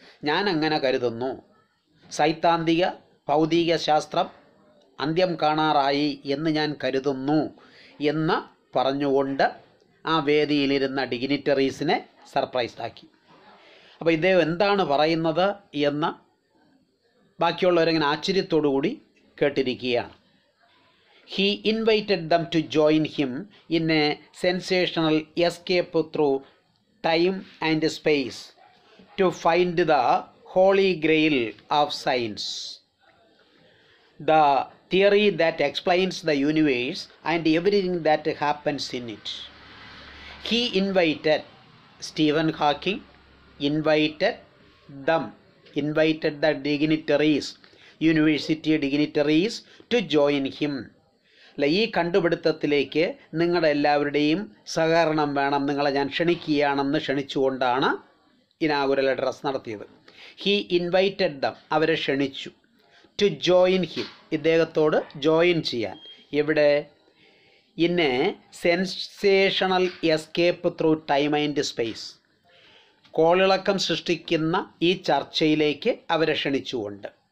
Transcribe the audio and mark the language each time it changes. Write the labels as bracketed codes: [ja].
[ml] ഞാൻ അങ്ങനെ കരുതുന്നു, സൈദ്ധാന്തിക ഭൗതിക ശാസ്ത്രം അന്ത്യം കാണാറായി എന്ന് ഞാൻ കരുതുന്നു എന്ന് പറഞ്ഞുകൊണ്ട് ആ വേദിയിലിരുന്ന ഡിഗ്നിറ്ററീസിനെ സർപ്രൈസ്ഡാക്കി. അപ്പോൾ ഇദ്ദേഹം എന്താണ് പറയുന്നത് എന്ന് ബാക്കിയുള്ളവരെങ്ങനെ ആശ്ചര്യത്തോടുകൂടി കേട്ടിരിക്കുകയാണ്. [en] He invited them to join him in a sensational escape through time and space to find the holy grail of science, the theory that explains the universe and everything that happens in it. He invited Stephen Hawking, invited the dignitaries, university dignitaries to join him. [ml] അല്ല, ഈ കണ്ടുപിടുത്തത്തിലേക്ക് നിങ്ങളുടെ എല്ലാവരുടെയും സഹകരണം വേണം, നിങ്ങളെ ഞാൻ ക്ഷണിക്കുകയാണെന്ന് ക്ഷണിച്ചുകൊണ്ടാണ് ഇനാഗുരൽ address നടത്തിയത്. [en] he invited them, [ml] അവരെ ക്ഷണിച്ചു. [en] to join him, [ml] ഇദ്ദേഹത്തോട് ജോയിൻ ചെയ്യാൻ. ഇവിടെ ഇന്നെ [en] sensational escape through time and space, [ml] കോളിളക്കം സൃഷ്ടിക്കുന്ന ഈ ചർച്ചയിലേക്ക് അവരെ ക്ഷണിച്ചുകൊണ്ട്.